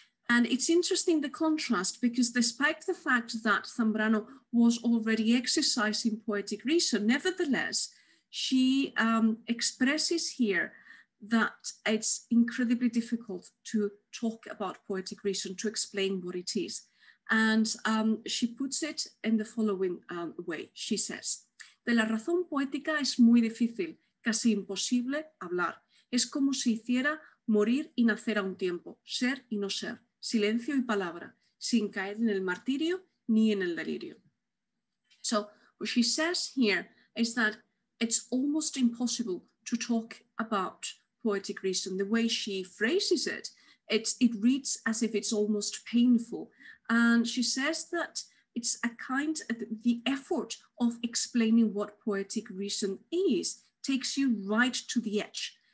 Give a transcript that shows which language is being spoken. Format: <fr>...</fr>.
<en>And it's interesting, the contrast, because despite the fact that Zambrano was already exercising poetic reason, nevertheless, she expresses here that it's incredibly difficult to talk about poetic reason, to explain what it is. And she puts it in the following way. She says,</en> <es>de la razón poética es muy difícil, casi imposible hablar. Es como si hiciera morir y nacer a un tiempo, ser y no ser, silencio y palabra, sin caer en el martirio ni en el delirio.</es> <en>So what she says here is that it's almost impossible to talk about poetic reason. The way she phrases it, it reads as if it's almost painful. And she says that it's a kind of the effort of explaining what poetic reason is takes you right to the edge.</en>